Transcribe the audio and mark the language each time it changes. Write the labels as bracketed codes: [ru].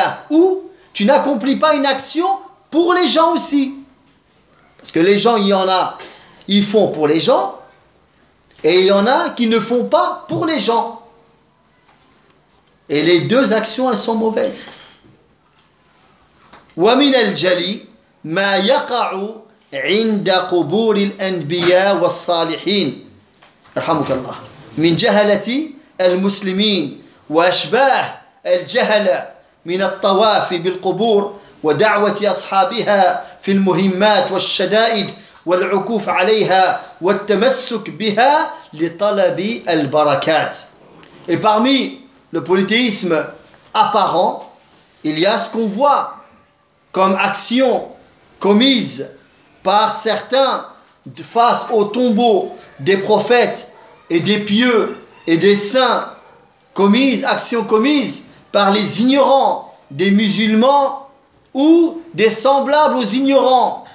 [fr] Ou tu n'accomplis pas une action pour les gens aussi. Parce que les gens, il y en a, ils font pour les gens. Et il y en a qui ne font pas pour les gens. Et les deux actions, elles sont mauvaises. [ar] ومن الجلي ما يقع عند قبور الأنبياء والصالحين رحمك الله من جهلة المسلمين وأشباه الجهلة من الطواف بالقبور ودعوة أصحابها في المهمات والشدائد والعكوف عليها والتمسك بها لطلب البركات. [fr] Et parmi le polythéisme apparent, il y a ce qu'on voit comme action commise par certains face au tombeau des prophètes et des pieux et des saints, action commise par les ignorants, des musulmans ou des semblables aux ignorants.